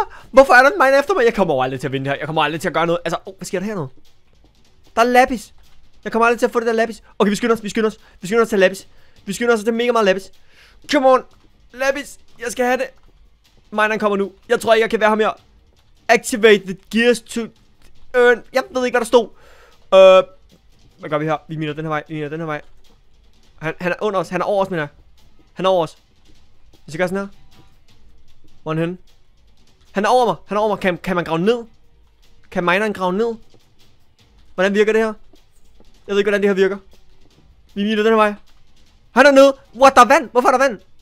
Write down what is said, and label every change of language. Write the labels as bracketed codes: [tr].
[da] Hvorfor er der en mine efter mig? Jeg kommer aldrig til at vinde her. Jeg kommer aldrig til at gøre noget. Hvad sker der her nu? Der er lapis. Jeg kommer aldrig til at få det der lapis. Okay, vi skynder os til lapis. Vi skynder os til mega meget lapis. [en] Come on. [da] Lapis, jeg skal have det. Mineren kommer nu. Jeg tror ikke, jeg kan være ham her. [en] Activate the gears to earn. [da] Jeg ved ikke, hvad der stod. Hvad gør vi her? Vi miner den her vej. Han er under os. Han er over os, mener jeg. Hvis jeg gør sådan her. Hvor er han henne? Han er over mig. Kan man grave ned? Kan mineren grave ned? Hvordan virker det her? Jeg ved ikke, hvordan det her virker. Vi miner den her vej. Han er nede. What, der er vand? Hvorfor er der vand?